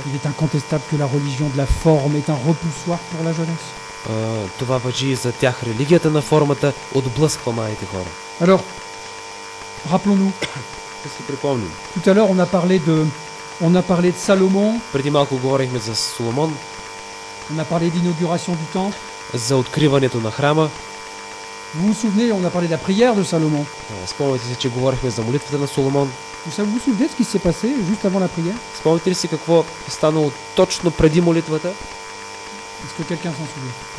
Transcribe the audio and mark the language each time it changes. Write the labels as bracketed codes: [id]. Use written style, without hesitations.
[fr] Il est incontestable que la religion de la forme est un repoussoir pour la jeunesse. [bg] Това важи и за тях. Религията на формата отблъсква младите хора. [fr] Alors, rappelons-nous. [bg] Да си припомним. [fr] Tout à l'heure on a parlé de Salomon. [bg] Преди малко говорихме за Соломон. [fr] On a parlé d'inauguration du temple. [bg] За откриването на храма. [fr] Vous vous souvenez, on a parlé de la prière de Salomon. [bg] Спомнете си, че говорихме за молитвата на Соломон. [fr] Vous vous souvenez ce qui s'est passé juste avant la prière? [bg] Спомнете ли си какво е станало точно преди молитвата? [fr] Est-ce que quelqu'un s'en souvient?